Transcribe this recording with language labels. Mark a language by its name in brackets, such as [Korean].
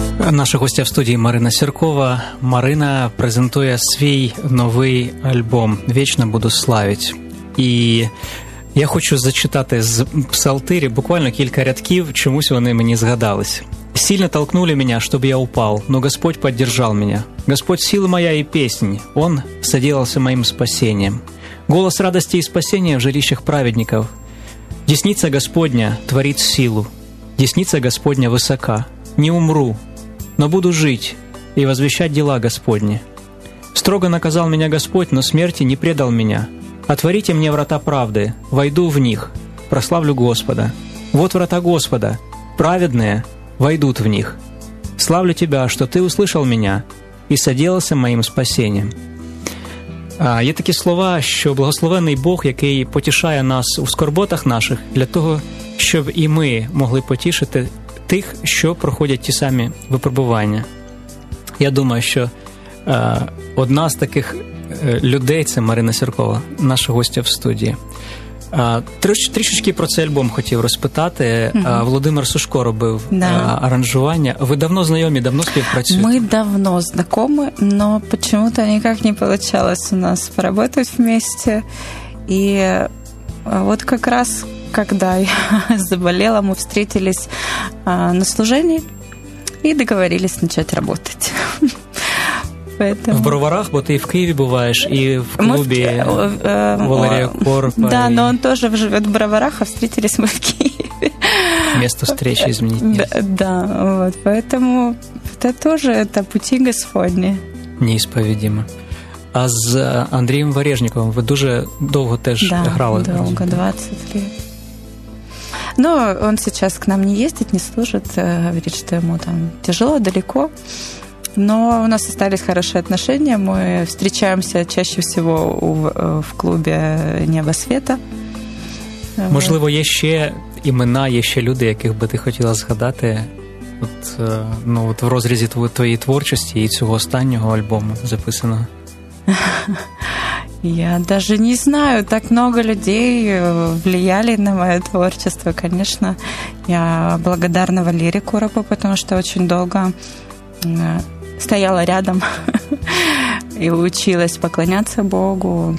[Ukrainian] Наша гостя в студії Марина Сіркова. Марина презентує свій новий альбом «Вічно буду славить». І я хочу зачитати з псалтирі буквально кілька рядків, чомусь вони мені згадались. [Russian] «Сильно толкнули мене, щоб я упав, но Господь поддержал мене. Господь – сила моя и песнь, Он соделался моим спасением. Голос радости и спасения в жилищах праведников. Десница Господня творит силу, десница Господня высока. Не умру, но буду жить и возвещать дела Господни. Строго наказал меня Господь, но смерти не предал меня. Отворите мне врата правды, войду в них, прославлю Господа. Вот врата Господа, праведные войдут в них. Славлю Тебя, что Ты услышал меня и соделался моим спасением. [Ukrainian] Є такі слова, що благословений Бог, який потішає нас у скорботах наших, для того, щоб і ми могли потішити тих, що проходять ті самі випробування. Я думаю, що одна з таких людей – це Марина Сіркова, наша гостя в студії. Трішечки про цей альбом хотів розпитати. Угу. Володимир Сушко робив аранжування. Ви давно знайомі, давно співпрацюєте? Ми давно знайомі, [Russian] но почему-то никак не получалось у нас поработать вместе. И вот как раз, когда я заболела, мы встретились на служении и договорились начать работать. Поэтому... [Ukrainian] В Броварах, бо ти в Києві буваєш, і в клубі Валерія Корпа. [Russian] Да, но он тоже живет в Броварах, а встретились мы в Києві. Место встречи изменить нельзя. Да, вот, поэтому это тоже это пути Господні. Неисповедимо. [Ukrainian] А з Андрієм Варежніковим ви дуже довго теж грали? [Russian] Да, довго, 20 лет. Ну, он сейчас к нам не ездит, не служит, говорит, что ему там тяжело, далеко. Но у нас остались хорошие отношения. Мы встречаемся чаще всего в клубе «Небо Света». [Ukrainian] Можливо, є ще імена, є ще люди, яких би ти хотіла згадати от, ну, от в розрізі твоєї творчості і цього останнього альбому записаного? [Russian] Я даже не знаю. Так много людей влияли на моє творчество. Конечно, я благодарна Валере Коропу, потому что очень долго... стояла рядом и училась поклоняться Богу.